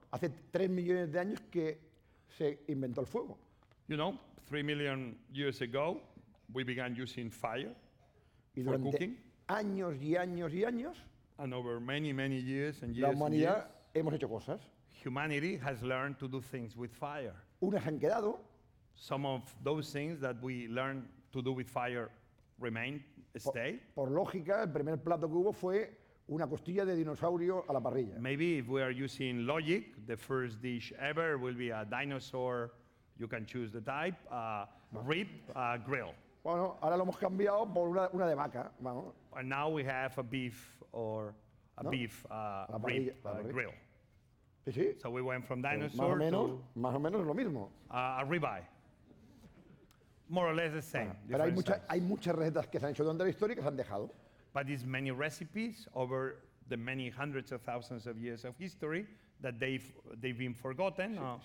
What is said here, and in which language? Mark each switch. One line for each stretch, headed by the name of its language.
Spanish: Hace 3 millones de años que se inventó el fuego.
English: You know, 3 million years ago, we began using fire
Spanish: y
English: for cooking.
Spanish: Años y años y años.
English: And over many, many years and years.
Spanish: La humanidad
English: and years,
Spanish: hemos hecho cosas.
English: Humanity has learned to do things with fire.
Spanish: Unas han quedado.
English: Some of those things that we learned to do with fire remain, stay.
Spanish: Por lógica, el primer plato que hubo fue una costilla de dinosaurio a la parrilla.
English: Maybe if we are using logic, the first dish ever will be a dinosaur, you can choose the type, rib, grill.
Spanish: Bueno, ahora lo hemos cambiado por una de vaca, vamos.
English: And now we have a beef or a no. Beef,
Spanish: la parrilla,
English: rib, grill.
Spanish: Sí.
English: So we went from dinosaur
Spanish: más o menos,
English: to...
Spanish: Más o menos lo mismo.
English: A ribeye. More or less the same.
Spanish: Bueno, pero hay muchas recetas que se han hecho durante la historia y que se han dejado.
English: But it's many recipes over the many hundreds of thousands of years of history that they've been forgotten,